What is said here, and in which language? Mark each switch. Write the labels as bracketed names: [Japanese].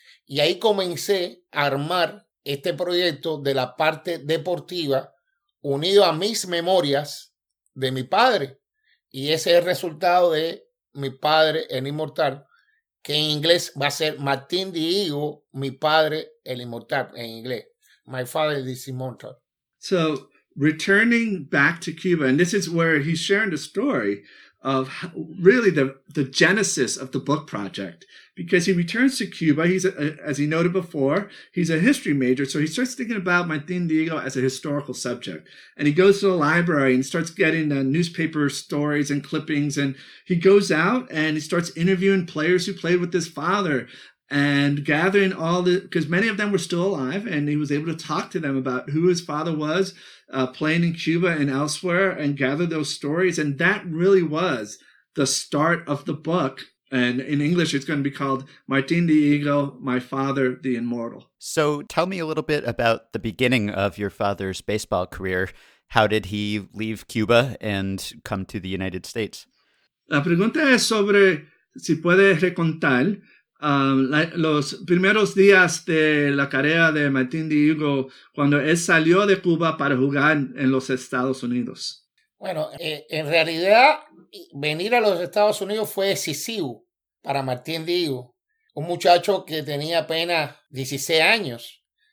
[Spanish] Y ahí comencé a armar este proyecto de la parte deportiva unido a mis memorias de mi padre. Y ese es el resultado de mi padre, el inmortal, que en inglés va a ser Martín Diego, mi padre, el inmortal, en inglés. [English] My father is immortal. So, returning back to Cuba, and this is where he's sharing the story of how, really the genesis of the book project, because he returns to Cuba. He's, as he noted before, he's a history major. So he starts thinking about Martín Diego as a historical subject. And he goes to the library and starts getting the newspaper stories and clippings. And he goes out and he starts interviewing players who played with his father and gathering all the, because many of them were still alive. And he was able to talk to them about who his father was, playing in Cuba and elsewhere, and gather those stories. And that really was the start of the book. And in English, it's going to be called Martín Diego, My Father, the Immortal. So tell me a little bit about the beginning of your father's baseball career. How did he leave Cuba and come to the United States? [Spanish] La pregunta es sobre si puede recontar los primeros días de la carrera de Martín Diego cuando él salió de Cuba para jugar en los Estados Unidos. Bueno, en realidad, venir a los Estados Unidos fue decisivo para Martín Diego, un muchacho que tenía apenas 16 años.